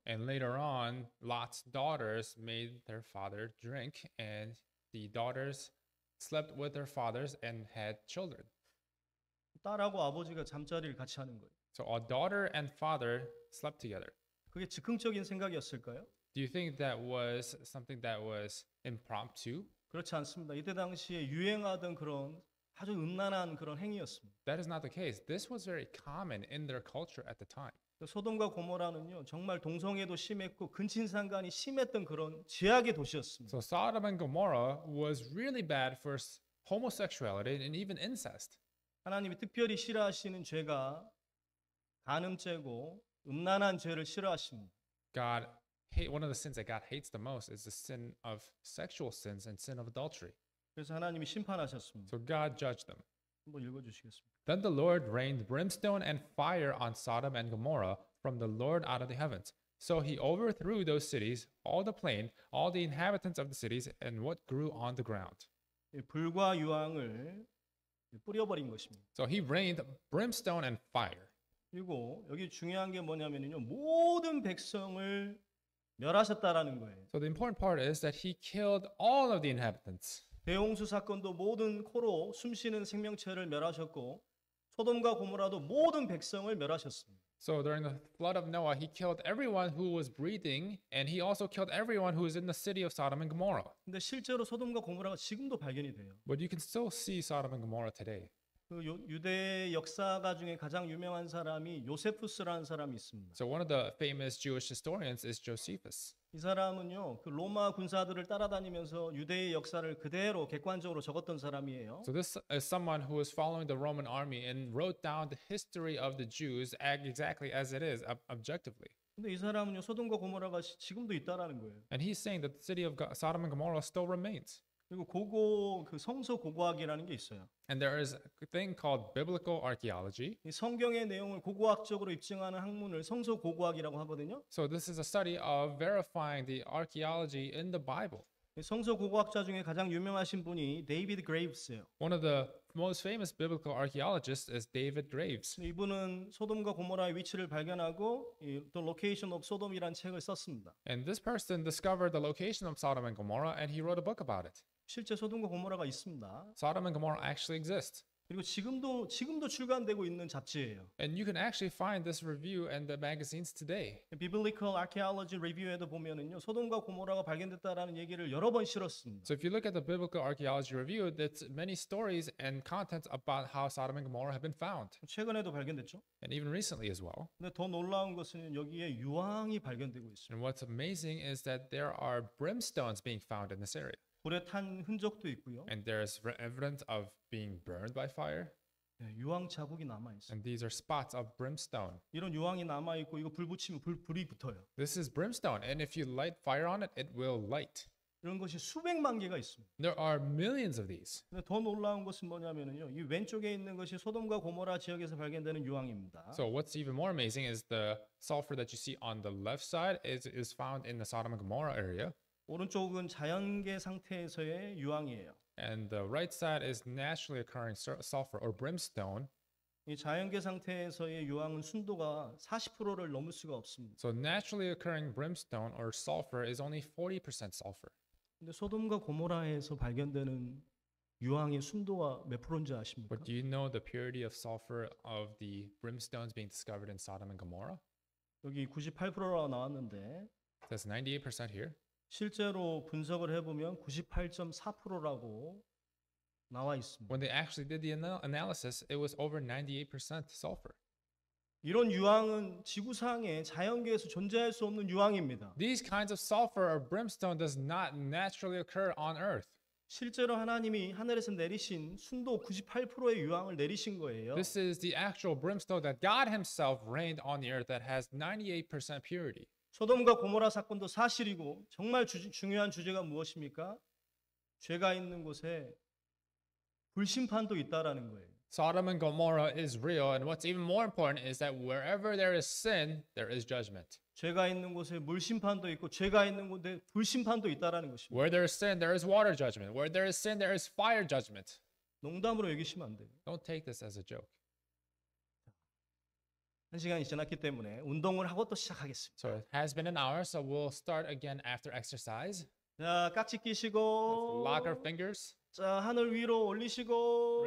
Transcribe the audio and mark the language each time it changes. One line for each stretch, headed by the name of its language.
English: And later on, Lot's daughters made their father drink and the daughters slept with their fathers and had children.
Korean: 딸하고 아버지가 잠자리를 같이 하는 거예요.
English: So a daughter and father slept together.
Korean: 그게 즉흥적인 생각이었을까요?
English: Do you think that was something that was impromptu?
Korean: 그렇지 않습니다. 이때 당시에 유행하던 그런 아주 음란한 그런 행위였습니다.
English: That is not the case. This was very common in their culture at the time.
Korean: 소돔과 고모라는요, 정말 동성애도 심했고 근친상간이 심했던 그런 죄악의 도시였습니다.
English: So Sodom and Gomorrah was really bad for homosexuality and even incest.
Korean: 하나님이 특별히 싫어하시는 죄가 간음죄고 음란한 죄를 싫어하십니다.
English: God hate one of the sins that God hates the most is the sin of sexual sins and sin of adultery.
Korean: 그래서 하나님이 심판하셨습니다.
English: So God judged them.
Korean: 한번 읽어주시겠습니다.
English: Then the Lord rained brimstone and fire on Sodom and Gomorrah from the Lord out of the heavens. So he overthrew those cities, all the plain, all the inhabitants of the cities, and what grew on the ground.
Korean: 불과 유황을 뿌려버린 것입니다.
English: So he rained brimstone and fire.
Korean: 그리고 여기 중요한 게 뭐냐면요, 모든 백성을 멸하셨다라는 거예요.
English: So the important part is that he killed all of the inhabitants.
Korean: 대홍수 사건도 모든 코로 숨쉬는 생명체를 멸하셨고 소돔과 고모라도 모든 백성을 멸하셨습니다.
English: So during the flood of Noah, he killed everyone who was breathing, and he also killed everyone who was in the city of Sodom and Gomorrah.
Korean: 근데 실제로 소돔과 고모라가 지금도 발견이 돼요.
English: But you can still see Sodom and Gomorrah today.
Korean: 그 유대 역사가 중에 가장 유명한 사람이 요세푸스라는 사람이 있습니다.
English: So one of the famous Jewish historians is Josephus.
Korean: 이 사람은요, 그 로마 군사들을 따라다니면서 유대의 역사를 그대로 객관적으로 적었던 사람이에요.
English: So this is someone who was following the Roman army and wrote down the history of the Jews exactly as it is, objectively.
Korean: 근데 이 사람은요, 소돔과 고모라가 지금도 있다라는 거예요.
English: And he's saying that the city of Sodom and Gomorrah still remains.
Korean: 그리고 고고 그 성서 고고학이라는 게 있어요.
English: And there is a thing called biblical archaeology.
Korean: 이 성경의 내용을 고고학적으로 입증하는 학문을 성서 고고학이라고 하거든요.
English: So this is a study of verifying the archaeology in the Bible.
Korean: 이 성서 고고학자 중에 가장 유명하신 분이 데이비드 그레이브스예요.
English: One of the most famous biblical archaeologists is David Graves.
Korean: 이분은 소돔과 고모라의 위치를 발견하고 The Location of Sodom이란 책을 썼습니다.
English: And this person discovered the location of Sodom and Gomorrah and he wrote a book about it.
Korean: 실제 소돔과 고모라가 있습니다.
English: Sodom and Gomorrah actually exists.
Korean: 그리고 지금도 출간되고 있는 잡지예요.
English: And you can actually find this review and the magazines today.
Korean: Biblical Archaeology Review에도 보면은요, 소돔과 고모라가 발견됐다라는 얘기를 여러 번 실었습니다.
English: So if you look at the Biblical Archaeology Review, there's many stories and contents about how Sodom and Gomorrah have been found.
Korean: 최근에도 발견됐죠.
English: And even recently as well.
Korean: 근데 더 놀라운 것은 여기에 유황이 발견되고 있어요.
English: And what's amazing is that there are brimstones being found in this area.
Korean: 불에 탄 흔적도 있고요.
English: And there is evidence of being burned by fire.
Korean: 네, 유황 자국이 남아 있어요.
English: And these are spots of brimstone.
Korean: 이런 유황이 남아 있고 이거 불 붙이면 불이 붙어요.
English: This is brimstone, and if you light fire on it, it will light.
Korean: 이런 것이 수백만 개가 있습니다.
English: There are millions of these.
Korean: 근데 더 놀라운 것은 뭐냐면요, 이 왼쪽에 있는 것이 소돔과 고모라 지역에서 발견되는 유황입니다.
English: So what's even more amazing is the sulfur that you see on the left side is found in the Sodom and Gomorrah area.
Korean: 오른쪽은 자연계 상태에서의 유황이에요.
English: And the right side is naturally occurring sulfur or brimstone.
Korean: 이 자연계 상태에서의 유황은 순도가 40%를 넘을 수가 없습니다.
English: So naturally occurring brimstone or sulfur is only 40% sulfur.
Korean: 근데 소돔과 고모라에서 발견되는 유황의 순도가 몇 프로인지 아십니까?
English: But do you know the purity of sulfur of the brimstones being discovered in Sodom and Gomorrah?
Korean: 여기 98%라고 나왔는데.
English: That's 98% here.
Korean: 실제로 분석을 해보면 98.4%라고 나와 있습니다.
English: When they actually did the analysis, it was over 98% sulfur.
Korean: 이런 유황은 지구상에 자연계에서 존재할 수 없는 유황입니다.
English: These kinds of sulfur or brimstone does not naturally occur on earth.
Korean: 실제로 하나님이 하늘에서 내리신 순도 98%의 유황을 내리신 거예요.
English: This is the actual brimstone that God himself rained on the earth that has 98% purity.
Korean: 소돔과 고모라 사건도 사실이고 정말 중요한 주제가 무엇입니까? 죄가 있는 곳에 불심판도 있다라는 거예요.
English: Sodom and Gomorrah is real, and what's even more important is that wherever there is sin, there is judgment.
Korean: 죄가 있는 곳에 물 심판도 있고 죄가 있는 곳에 불 심판도 있다라는 것입니다.
English: Where there is sin, there is water judgment. Where there is sin, there is fire judgment.
Korean: 농담으로 얘기하시면 안 돼요.
English: Don't take this as a joke.
Korean: 한 시간이 지났기 때문에 운동을 하고 또 시작하겠습니다.
English: So it has been an hour, so we'll start again after exercise.
Korean: 자, 깍지 끼시고.
English: Lock our fingers.
Korean: 자, 하늘 위로 올리시고.